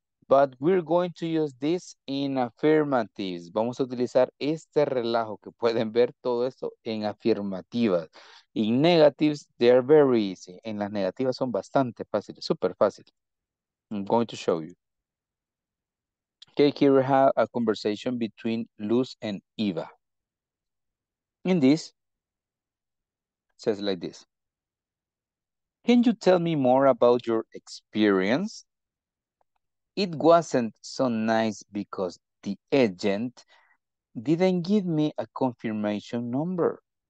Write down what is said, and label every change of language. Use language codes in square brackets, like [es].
[en] But we're going to use this in affirmatives. [es] Vamos a utilizar este relajo que pueden ver todo esto en afirmativas. [en] In negatives, they are very easy. [es] En las negativas son bastante fáciles, super fácil. [en] I'm going to show you. Okay, here we have a conversation between Luz and Eva. In this, it says like this. Can you tell me more about your experience? It wasn't so nice because the agent didn't give me a confirmation number.